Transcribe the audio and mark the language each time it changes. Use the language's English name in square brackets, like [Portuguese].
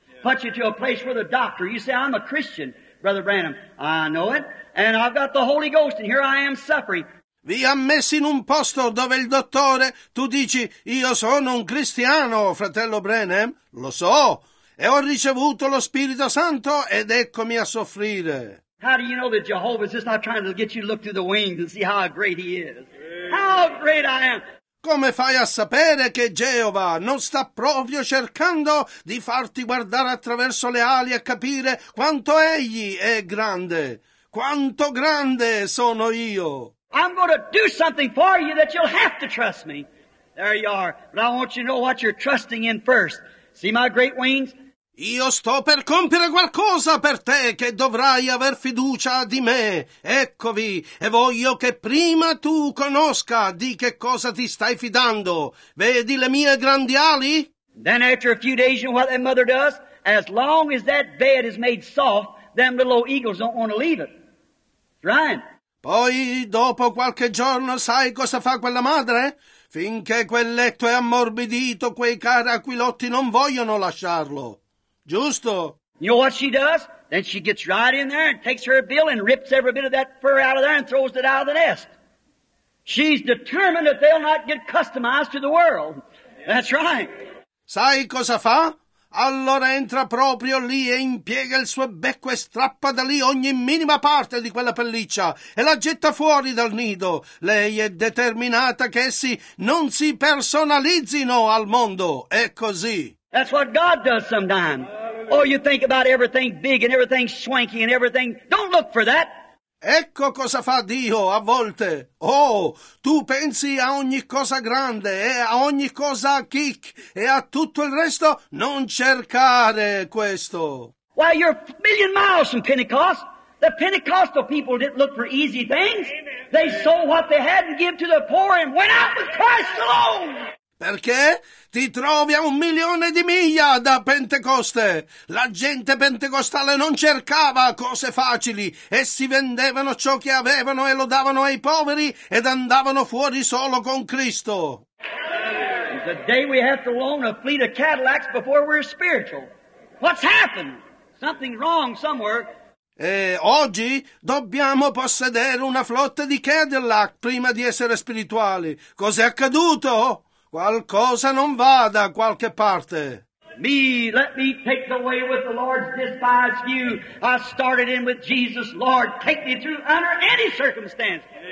[English] Put you to a place where the doctor, you say, I'm a Christian, Brother Branham. I know it, and I've got the Holy Ghost, and here I am suffering. [Italian] Vi ha messo in un posto dove il dottore, tu dici, io sono un cristiano, fratello Branham, lo so, e ho ricevuto lo Spirito Santo ed eccomi a soffrire. [English] How do you know that Jehovah's just not trying to get you to look through the wings and see how great he is? How great I am! [Italian] Come fai a sapere che Geova non sta proprio cercando di farti guardare attraverso le ali e capire quanto egli è grande? Quanto grande sono io! [English] I'm going to do something for you that you'll have to trust me. There you are. But I want you to know what you're trusting in first. See my great wings? [Italian] Io sto per compiere qualcosa per te che dovrai aver fiducia di me. Eccovi, e voglio che prima tu conosca di che cosa ti stai fidando. Vedi le mie grandi ali? [English] Then after a few days, you know what that mother does? As long as that bed is made soft, them little old eagles don't want to leave it. Ryan. [Italian] Poi, dopo qualche giorno, sai cosa fa quella madre? Finché quel letto è ammorbidito, quei cari aquilotti non vogliono lasciarlo. Giusto. [English] You know what she does? Then she gets right in there and takes her bill and rips every bit of that fur out of there and throws it out of the nest. She's determined that they'll not get customized to the world. That's right. [Italian] Sai cosa fa? Allora entra proprio lì e impiega il suo becco e strappa da lì ogni minima parte di quella pelliccia e la getta fuori dal nido. Lei è determinata che essi non si personalizzino al mondo. È così. [English] That's what God does sometimes. Oh, you think about everything big and everything swanky and everything. Don't look for that. [Italian] Ecco cosa fa Dio a volte. Oh, tu pensi a ogni cosa grande e a ogni cosa chic e a tutto il resto? Non cercare questo. [English] Why, you're a million miles from Pentecost. The Pentecostal people didn't look for easy things. They sold what they had and gave to the poor and went out with Christ alone. [Italian] Perché ti trovi a un milione di miglia da Pentecoste. La gente pentecostale non cercava cose facili. Essi vendevano ciò che avevano e lo davano ai poveri ed andavano fuori solo con Cristo. [English] The day we have to loan a fleet of Cadillacs before we're spiritual. What's happened? Something wrong somewhere. [Italian] E oggi dobbiamo possedere una flotta di Cadillac prima di essere spirituali. Cos'è accaduto? Qualcosa non va da qualche parte. [English] Me, let me take the way with the Lord's despised view. I started in with Jesus, Lord, take me through under any circumstance.